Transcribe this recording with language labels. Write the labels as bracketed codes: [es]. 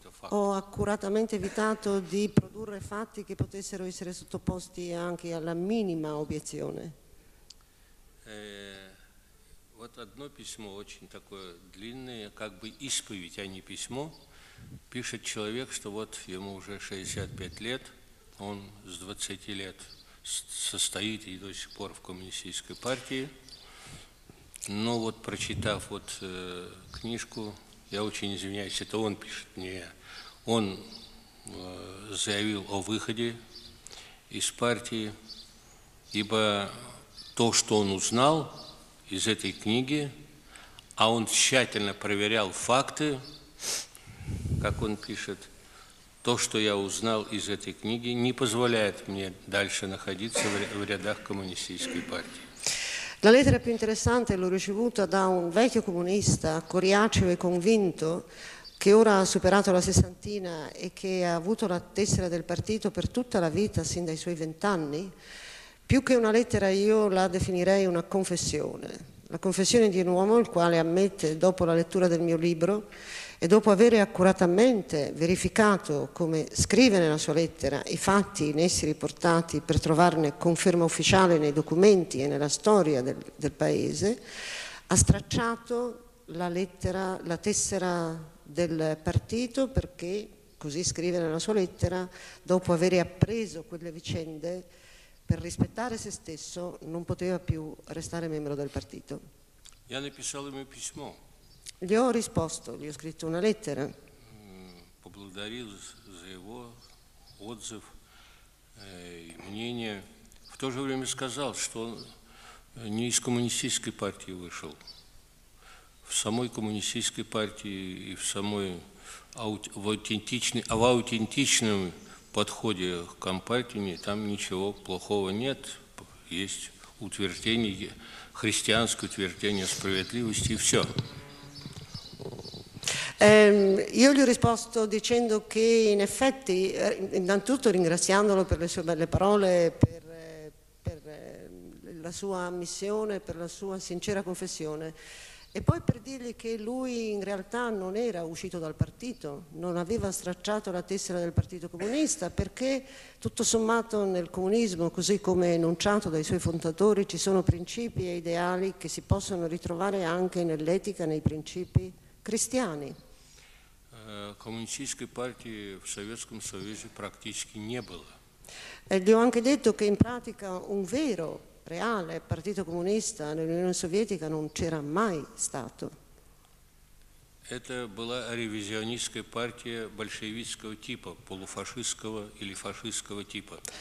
[it] Ho accuratamente evitato di produrre fatti che potessero essere sottoposti anche alla minima obiezione. [ru] Вот одно письмо очень такое длинное, как бы исповедь, а не письмо. Пишет человек, что вот ему уже 65 лет, он с 20 лет состоит и до сих пор в коммунистической партии. Но вот прочитав вот книжку, я очень извиняюсь, это он пишет мне, он заявил о выходе из партии, ибо то, что он узнал из этой книги, а он тщательно проверял факты, как он пишет, то, что я узнал из этой книги, не позволяет мне дальше находиться в рядах коммунистической партии. [it] La lettera più interessante l'ho ricevuta da un vecchio comunista, coriaceo e convinto, che ora ha superato la sessantina e che ha avuto la tessera del partito per tutta la vita, sin dai suoi 20 anni. Più che una lettera io la definirei una confessione. La confessione di un uomo il quale ammette, dopo la lettura del mio libro e dopo avere accuratamente verificato, come scrive nella sua lettera, i fatti in essi riportati per trovarne conferma ufficiale nei documenti e nella storia del paese, ha stracciato la tessera del partito perché, così scrive nella sua lettera, dopo avere appreso quelle vicende, per rispettare se stesso non poteva più restare membro del partito. [ru] Я написал ему письмо. [it] Gli ho risposto, gli ho scritto una lettera. [ru] Поблагодарил за его отзыв и мнение. В то же время сказал, что он не из коммунистической партии вышел. В самой коммунистической партии и в самой аутентичном подходе к компартии там ничего плохого нет. Есть утверждение, христианское утверждение справедливости и все. [it] Io gli ho risposto dicendo che in effetti, innanzitutto ringraziandolo per le sue belle parole, per la sua ammissione, per la sua sincera confessione, e poi per dirgli che lui in realtà non era uscito dal partito, non aveva stracciato la tessera del Partito Comunista, perché tutto sommato nel comunismo, così come enunciato dai suoi fondatori, ci sono principi e ideali che si possono ritrovare anche nell'etica, nei principi cristiani. [ru] Коммунистической партии в Советском Союзе практически не было. [it] Gli ho anche detto che in pratica un vero, reale partito comunista nell'Unione Sovietica non c'era mai stato. [ru] Это была ревизионистская партия большевистского типа, полуфашистского или фашистского типа.